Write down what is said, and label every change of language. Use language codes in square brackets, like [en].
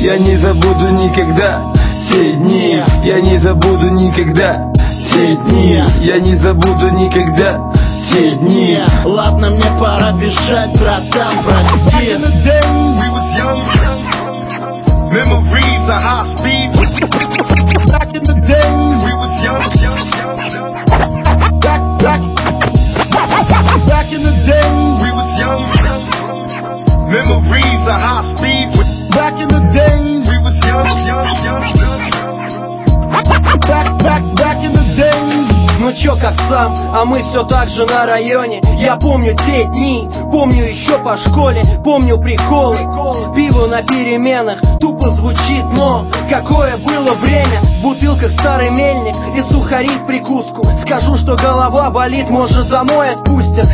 [ru] Я не забуду никогда те дни. Я не забуду никогда те дни. Я не забуду никогда те дни. Ладно, мне пора бежать, братан, прости. [en] Memories of high speed. Back in the days, we was young. Back in the days, we was young. Memories of high speed. Back in the days, we was young. Back in the days. [ru] Ну чё, как сам, а мы всё так же на районе. Я помню те дни, помню ещё по школе. Помню приколы, пиво на переменах. Тупо звучит, но какое было время. В бутылках старый мельник и сухари в прикуску. Скажу, что голова болит, может, домой отпустят.